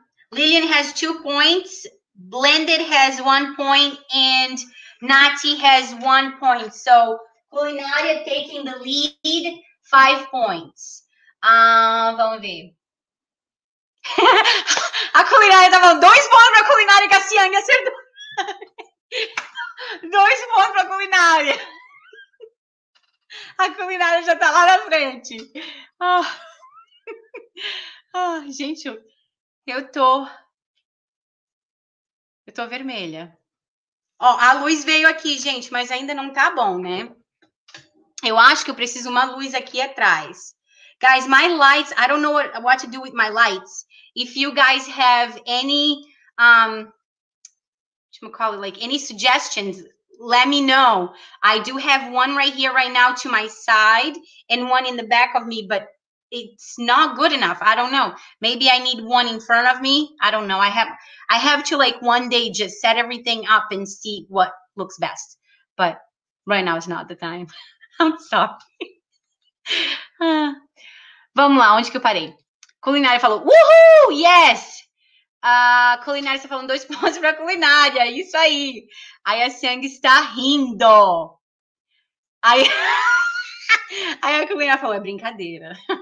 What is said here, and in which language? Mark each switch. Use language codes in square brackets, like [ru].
[en] Lillian has 2 points. Blended has 1 point. And Nati has 1 point. So, Culinária taking the lead, 5 points. [pt] Vamos ver. A Culinária tá falando 2 pontos pra Culinária, que a Siang acertou. Dois pontos para a culinária. A culinária já está lá na frente. Oh. Oh, gente, eu tô vermelha. Ó, a luz veio aqui, gente, mas ainda não tá bom, né? Eu acho que eu preciso uma luz aqui atrás. [en] Guys, my lights, I don't know what to do with my lights. If you guys have any, whatchamacallit, like any suggestions, let me know. I do have one right here right now to my side and one in the back of me, but it's not good enough. I don't know. Maybe I need one in front of me. I don't know. I have to like one day just set everything up and see what looks best. But right now is not the time. I'm sorry. [pt] Vamos lá, onde que eu parei? Culinária falou, woohoo, [en] yes! [pt] Culinária está falando dois pontos para culinária, isso aí. A Yasang está rindo. Aí a culinária falou, é brincadeira.